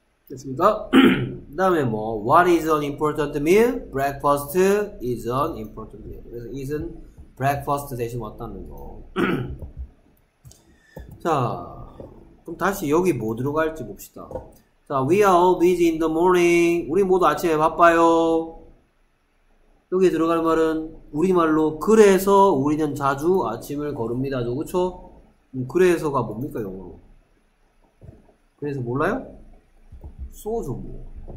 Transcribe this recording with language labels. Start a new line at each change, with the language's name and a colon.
Korean: 됐습니까? 그 다음에 뭐
English: What is an important meal? Breakfast is an important meal.
Korean: 그래서 is은 breakfast 대신 왔다는 거. 자 그럼 다시 여기 뭐 들어갈지 봅시다.
English: 자 We are all busy in the morning.
Korean: 우리 모두 아침에 바빠요. 여기에 들어갈 말은 우리말로 그래서 우리는 자주 아침을 걸읍니다. 그쵸? 그래서가 뭡니까 영어로? 그래서 몰라요? 쏘죠 뭐.